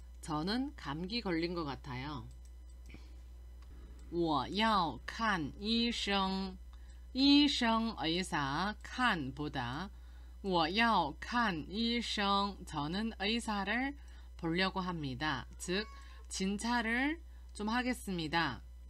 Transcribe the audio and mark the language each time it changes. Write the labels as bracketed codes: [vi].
[ko] 저는 감기 걸린 것 같아요. [zh] 我要看医生。医生 의사 看보다 我要看医生. [ko] 저는 의사를 보려고 합니다. 즉 진찰을 좀 하겠습니다.